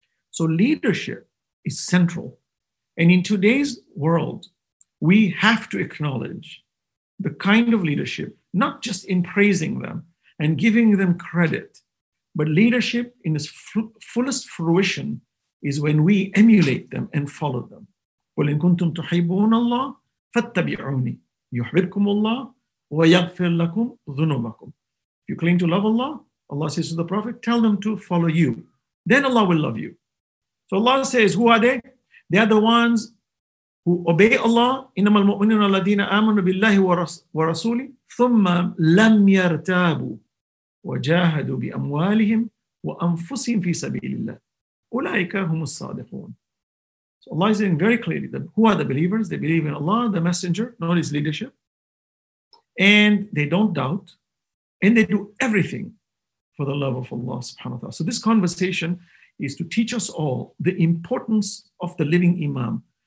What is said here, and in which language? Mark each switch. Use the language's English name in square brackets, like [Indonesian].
[English] So leadership is central. And in today's world, we have to acknowledge the kind of leadership, not just in praising them and giving them credit, but leadership in its fullest fruition is when we emulate them and follow them. [Arabic] قُلْ إِن كُنْتُمْ تُحِبُّونَ اللَّهِ فَاتَّبِعُونِي يُحْبِرْكُمُ اللَّهِ وَيَغْفِرْ لَكُمْ ذُنُوبَكُمْ. [English] If you claim to love Allah, Allah says to the Prophet, tell them to follow you. Then Allah will love you. So Allah says, who are they? They are the ones who obey Allah, [Arabic] إِنَّمَا الْمُؤْمِنُونَ الَّذِينَ آمَنُوا بِاللَّهِ وَرَسُولِهِ ثُمَّ لَمْ يَرْتَابُوا. وجاهدوا بأموالهم وأنفسهم في سبيل الله أولئك هم الصادقون. [English] So Allah is saying very clearly that who are the believers? They believe in Allah, the Messenger, not his leadership. And they don't doubt. And they do everything for the love of Allah subhanahu wa ta'ala. So this conversation is to teach us all the importance of the living imam.